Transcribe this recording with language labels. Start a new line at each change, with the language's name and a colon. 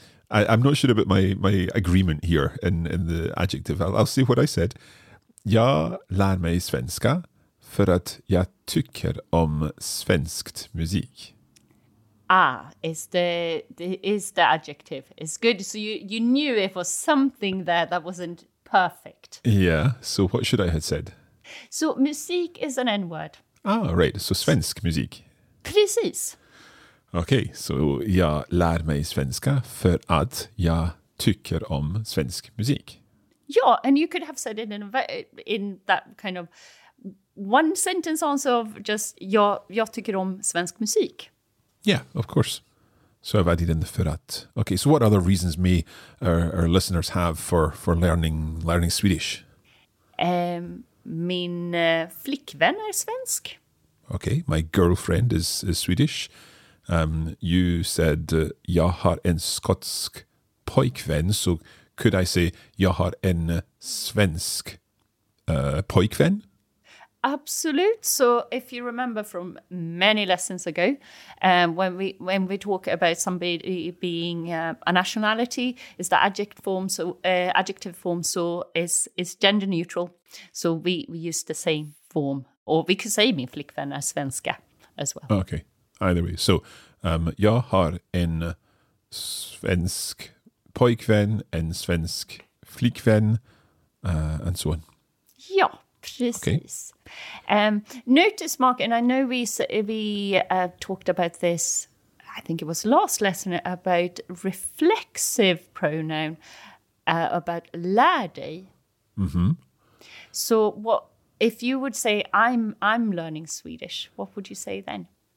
English: I'm not sure about my agreement here in the adjective. I'll see what I said.
Swedish: Jag lär mig svenska för att jag tycker om svenskt musik.
English: Ah, is the adjective. It's good. So you knew it was something there that wasn't perfect. Yeah. So what should I have said? So musik is an N-word. Ah, right. So svensk musik.
Swedish: Precis. Okay, so jag lär mig svenska för att jag tycker om svensk musik.
English: Yeah, and you could have said it in that kind of one sentence answer of just
Swedish: jag tycker om svensk musik.
English: Yeah, of course. So I've added in the för att. Okay, so what other reasons may our listeners have for learning Swedish?
Swedish: Min flickvän är svensk.
English: Okay, my girlfriend is Swedish. You said
Swedish: jag har en skotsk pojkvän,
English: so could I say
Swedish: jag har en svensk pojkvän? Absolut.
English: So if you remember from many lessons ago, when we talk about somebody being a nationality, is the adjective form so is gender neutral. So we use the same form, or we could say
Swedish: min flickvän är svenska
English: as well. Okay. Either way. So
Swedish: jag har en svensk pojkvän, en svensk flickvän,
English: and so on.
Swedish: Ja, precis. Okay.
English: Notice, Mark, and I know we talked about this, I think it was last lesson, about reflexive pronoun, about lär dig. Mm-hmm. So what if you would say, I'm learning Swedish, what would you say then?